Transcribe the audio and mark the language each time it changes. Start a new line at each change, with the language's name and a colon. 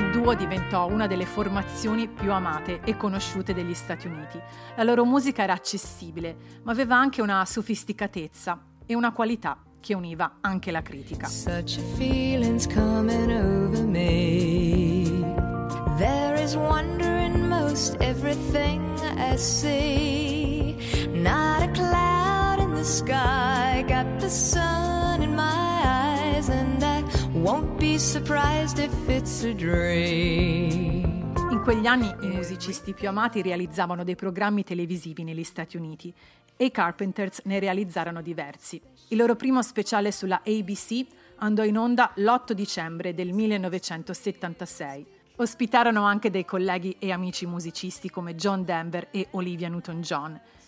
Italian: Diventò una delle formazioni più amate e conosciute degli Stati Uniti. La loro musica era accessibile, ma aveva anche una sofisticatezza e una qualità che univa anche la critica.
English: Such a feeling's coming over me. There is wonder in most everything I see. Not a cloud in the sky, got the sun in my eyes and I won't be surprised if it's a dream.
Italian: In quegli anni i musicisti più amati realizzavano dei programmi televisivi negli Stati Uniti e i Carpenters ne realizzarono diversi. Il loro primo speciale sulla ABC andò in onda l'8 dicembre del 1976. Ospitarono anche dei colleghi e amici musicisti come John Denver e Olivia Newton-John.